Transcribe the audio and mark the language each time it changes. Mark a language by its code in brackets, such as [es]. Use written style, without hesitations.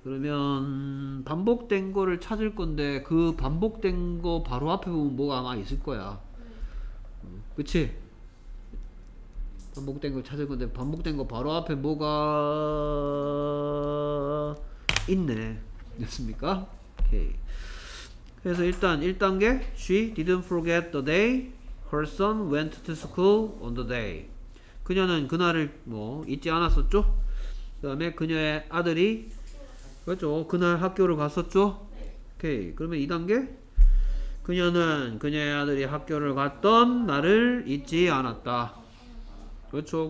[ko] 그러면 반복된 거를 찾을 건데 그 반복된 거 바로 앞에 보면 뭐가 아마 있을 거야. 그치? 반복된 걸 찾을 건데 반복된 거 바로 앞에 뭐가 있네. 됐습니까? 오케이. 그래서 일단 1단계 [en] She didn't forget the day her son went to school on the day. [ko] 그녀는 그날을 뭐 잊지 않았었죠? 그 다음에 그녀의 아들이 그렇죠? 그날 학교를 갔었죠? 오케이. 그러면 2단계 그녀는 그녀의 아들이 학교를 갔던 날을 잊지 않았다. 그렇죠?